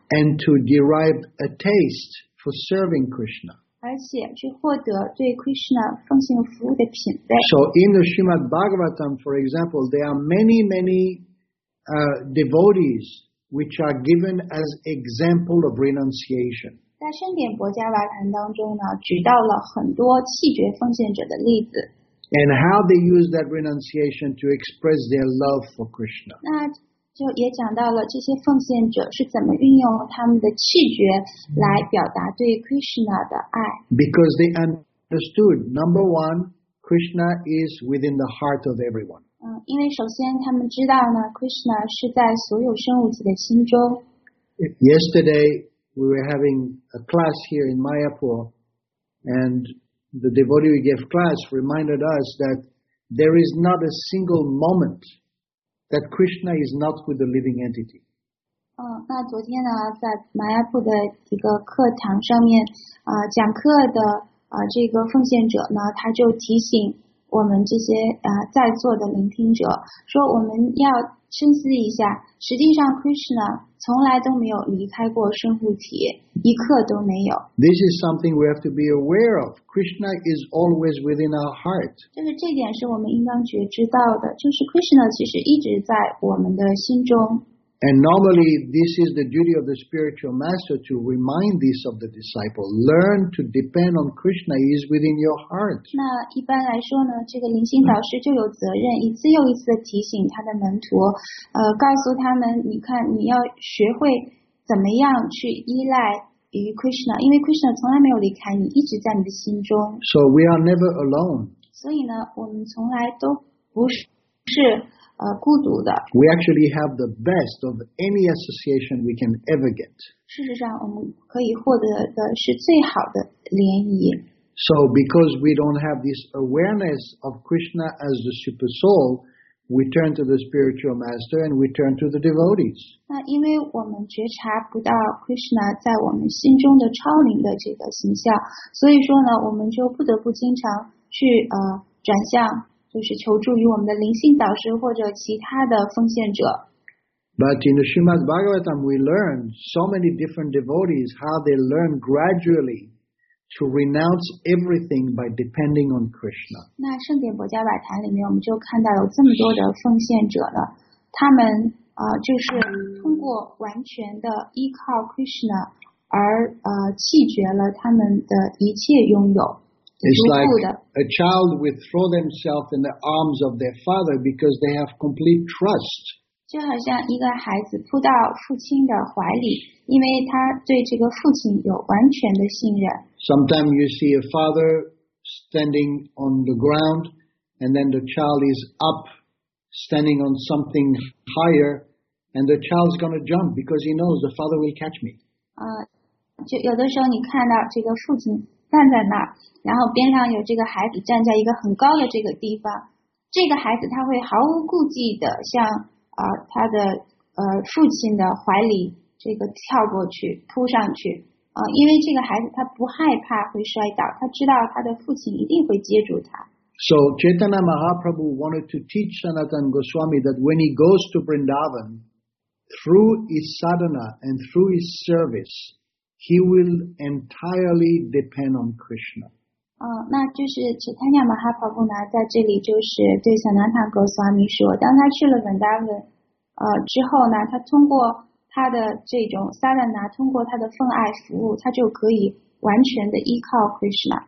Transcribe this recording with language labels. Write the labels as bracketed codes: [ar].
[en] And to derive a taste for serving Krishna. [zh] 而且去获得对 Krishna 奉献服务的品味。 [en] So in the Srimad Bhagavatam, for example, there are many devotees which are given as example of renunciation. [zh] 在《圣典薄伽瓦坛》当中呢，举到了很多弃绝奉献者的例子。 [en] And how they use that renunciation to express their love for Krishna. [zh] 那就也讲到了这些奉献者是怎么运用他们的弃绝来表达对 Krishna 的爱。 [en] Because they understood, number one, Krishna is within the heart of everyone. [zh] 因为首先他们知道呢， Krishna 是在所有生物体的心中。 [en] Yesterday, we were having a class here in Mayapur, and the devotee who gave class reminded us that there is not a single momentThat Krishna is not with the living entity. [zh] 那昨天呢，在马亚普的一个课堂上面，讲课的这个奉献者呢，他就提醒我们这些在座的聆听者，说我们要深思一下，实际上 Krishna 从来都没有离开过生物体，一刻都没有。 [en] This is something we have to be aware of. Krishna is always within our heart. [zh] 就是这点是我们应当觉知到的，就是 Krishna 其实一直在我们的心中。 [en] And normally, this is the duty of the spiritual master to remind this of the disciple. Learn to depend on Krishna. He is within your heart. [zh] 那一般来说呢，这个灵性导师就有责任一次又一次的提醒他的门徒，告诉他们，你看，你要学会怎么样去依赖于 Krishna， 因为 Krishna 从来没有离开你，一直在你的心中。 [en] So we are never alone. [zh] 所以呢，我们从来都不是。孤独的。 [en] We actually have the best of any association we can ever get. [zh] 事实上，我们可以获得的是最好的联谊。 [en] So because we don't have this awareness of Krishna as the super soul, we turn to the spiritual master and we turn to the devotees. [zh] 那因为我们觉察不到 Krishna 在我们心中的超灵的这个形象，所以说呢，我们就不得不经常去转向。就是求助于我们的灵性导师或者其他的奉献者。 [en] But in the Srimad Bhagavatam, we learn so many different devotees how they learn gradually to renounce everything by depending on Krishna. [zh] 那圣典博迦瓦坛里面我们就看到有这么多的奉献者了，他们就是通过完全的依靠 Krishna 而弃绝了他们的一切拥有。 [en] It's like a child withdraw themselves in the arms of their father because they have complete trust. [zh] 就好像一个孩子扑到父亲的怀里，因为他对这个父亲有完全的信任。 [en] Sometimes you see a father standing on the ground, and then the child is up, standing on something higher, and the child's gonna jump because he knows the father will catch me. [zh] 就有的时候你看到这个父亲站在那儿，然后边上有这个孩子站在一个很高的这个地方，这个孩子他会毫无顾忌的向他的父亲的怀里这个跳过去扑上去因为这个孩子他不害怕会摔倒，他知道他的父亲一定会接住他。 [en] So Chaitanya Mahaprabhu wanted to teach Sanatana Goswami that when he goes to Vrindavan, through his sadhana and through his service, he will entirely depend on Krishna. [zh] 那就是 Chaitanya Mahaprabhu 呢，在这里就是对 Sanatana Goswami 说，当他去了 Vrindavan 之后呢，他通过他的这种 sadhana， 通过他的奉爱服务，他就可以完全的依靠 Krishna.